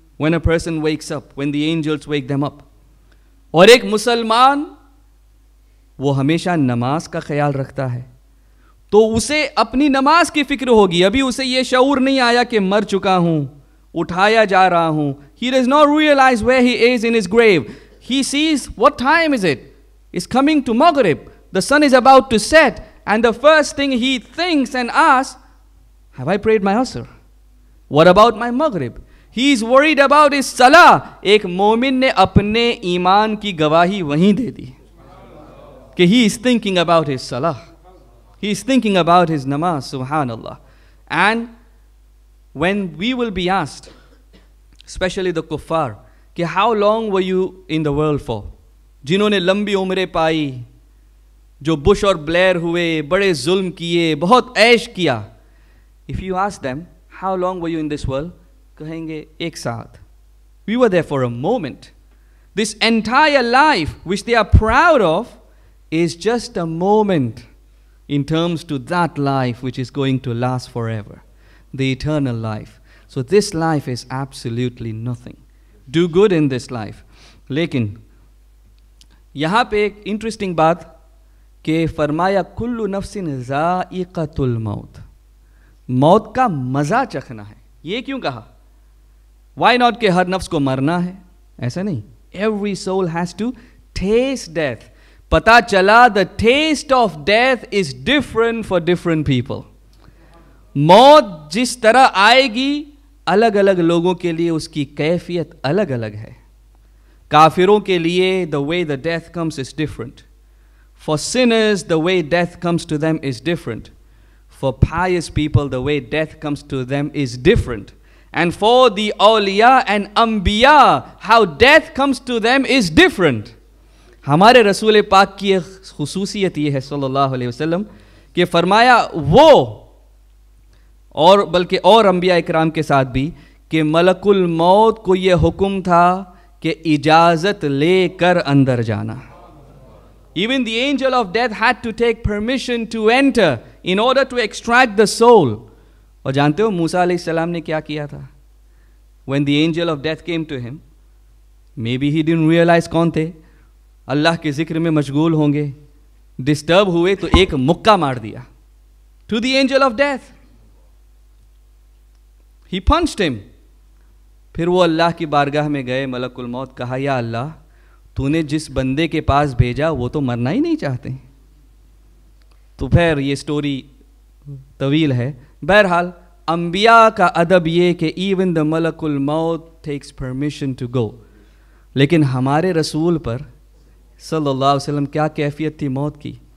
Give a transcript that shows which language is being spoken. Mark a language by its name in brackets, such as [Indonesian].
[English] When a person wakes up, when the angels wake them up [Urdu] اور ایک مسلمان وہ ہمیشہ نماز کا خیال رکھتا ہے تو اسے اپنی نماز کی فکر ہوگی ابھی اسے یہ شعور نہیں آیا کہ مر چکا ہوں اٹھایا جا رہا ہوں [English] He does not realize where he is in his grave He sees what time is it It's coming to Maghrib The sun is about to set and the first thing he thinks and asks, have I prayed my asr? What about my maghrib? He is worried about his salah. [Urdu] Ek momin ne apne iman ki gawahi wahi de di. [English] Ke he is thinking about his salah. He is thinking about his namaz, subhanallah. And when we will be asked, especially the kuffar, ke how long were you in the world for? [Urdu] Jinhone lambi umre paayi, جو Bush اور Blair ہوئے بڑے ظلم کیے بہت عیش کیا [English] If you ask them how long were you in this world [Urdu] کہیں گے ایک ساتھ [English] We were there for a moment This entire life which they are proud of is just a moment in terms to that life which is going to last forever the eternal life So this life is absolutely nothing Do good in this life [Urdu] لیکن یہاں پہ ایک interesting بات کہ فرمایا کل نفس ذائقۃ الموت موت کا مزہ چکھنا ہے یہ کیوں کہا [English] Why not [Urdu] کہ ہر نفس کو مرنا ہے ایسا نہیں [English] Every soul has to taste death [Urdu] پتا چلا [English] the taste of death is different for different people [Urdu] موت جس طرح آئے گی الگ الگ لوگوں کے لیے اس کی کیفیت الگ الگ ہے کافروں کے لیے [English] the way the death comes is different For sinners, the way death comes to them is different. For pious people, the way death comes to them is different. And for the awliya and anbiya, how death comes to them is different. [Urdu] ہمارے رسول پاک کی ایک خصوصیت یہ ہے صلی اللہ علیہ وسلم کہ فرمایا وہ اور بلکہ اور انبیاء اکرام کے ساتھ بھی کہ ملک الموت کو یہ حکم تھا کہ اجازت لے کر اندر جانا [English] Even the angel of death had to take permission to enter in order to extract the soul. [Urdu] اور جانتے ہو موسیٰ علیہ السلام نے کیا کیا تھا? [English] When the angel of death came to him, maybe he didn't realize [Urdu] کون تھے. اللہ کے ذکر میں مشغول ہوں گے. Disturb ہوئے تو ایک مکہ مار دیا. [English] To the angel of death. He punched him. [Urdu] پھر وہ اللہ کی بارگاہ میں گئے ملک الموت کہا یا اللہ تو نے جس بندے کے پاس بھیجا وہ تو مرنا ہی نہیں چاہتے ہیں تو پھر یہ سٹوری طویل ہے بہرحال انبیاء کا ادب یہ کہ [English] even the ملک الموت takes permission to go [Urdu] لیکن ہمارے رسول پر صلی اللہ علیہ وسلم کیا کیفیت تھی موت کی